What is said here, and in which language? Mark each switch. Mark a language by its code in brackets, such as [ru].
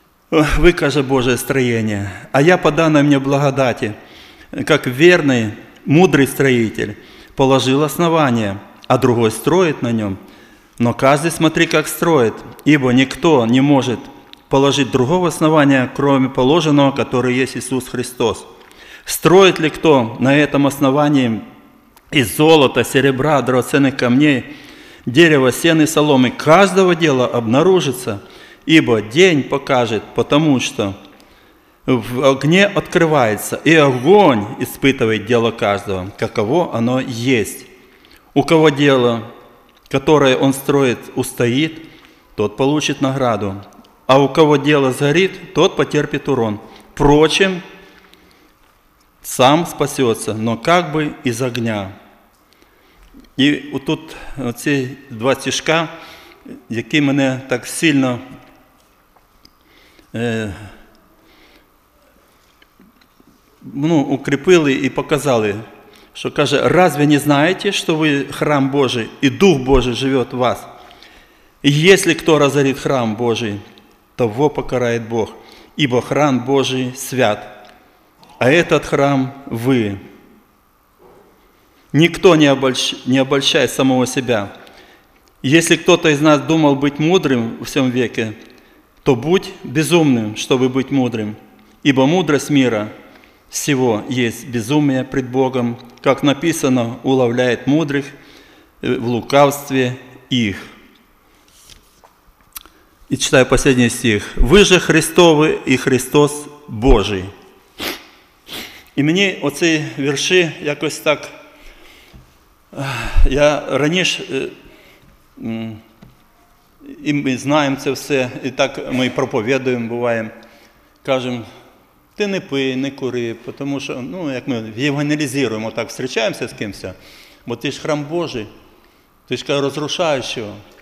[uk] Ви, каже, Боже строєння, а я подано мені благодаті, як верний, мудрий строїтель, положив основання, а другой строїть на ньому. [ru] Но каждый смотри, [uk] як строїть, ібо ніхто не може положити другого основання, кроме положеного, который є Ісус Христос. Строїть ли хто [ru] на этом основании, из золота, серебра, драгоценных камней, дерева, сена и соломы, каждого дела обнаружится, ибо день покажет, потому что в огне открывается, и огонь испытывает дело каждого, каково оно есть. У кого дело, которое он строит, устоит, тот получит награду, а у кого дело сгорит, тот потерпит урон. Впрочем, сам спасется, но как бы из огня. [uk] І отут ці два стіжка, які мене так сильно укріпили і показали, що каже, «Разве не знаєте, що ви храм Божий, і Дух Божий живе в вас? І якщо хто розорить храм Божий, того покарає Бог, ібо храм Божий свят, а цей храм – ви». [ru] Никто не обольщает самого себя. Если кто-то из нас думал быть мудрым в всем веке, то будь безумным, чтобы быть мудрым. Ибо мудрость мира всего есть безумие пред Богом, как написано, уловляет мудрых в лукавстве их. И читаю последний стих. «Вы же Христовы и Христос Божий». И мне эти верши якось так... [uk] Я раніше, і ми знаємо це все, і так ми і проповідуємо, буваємо, кажемо, ти не пий, не кури, тому що, ну, як ми євангелізуємо, так, зустрічаємося з кимось, бо ти ж храм Божий, ти ж розрушаєш його.